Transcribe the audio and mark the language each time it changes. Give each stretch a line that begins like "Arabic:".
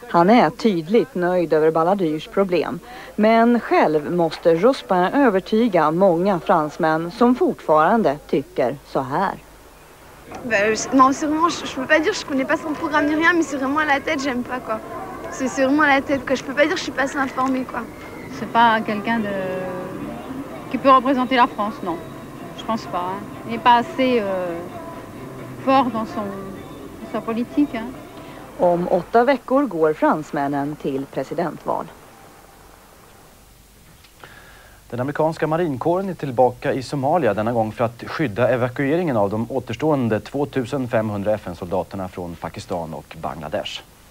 Swedish: Han är tydligt nöjd över Balladurs problem. Men själv måste Jospin övertyga många fransmän som fortfarande tycker så här.
French: Non, c'est vraiment, je peux pas dire, je connais pas son programme ni rien, mais c'est vraiment à la tête, j'aime pas quoi. C'est vraiment à la tête quoi, je peux pas dire, je suis pas assez informé quoi. C'est pas quelqu'un de... qui peut représenter la France, non. Je pense pas. Hein. Il n'est pas assez fort dans sa politique. Hein.
Swedish: Om 8 veckor går fransmännen till presidentval. Den amerikanska marinkåren är tillbaka i Somalia denna gång för att skydda evakueringen av de återstående 2500 FN-soldaterna från Pakistan och Bangladesh.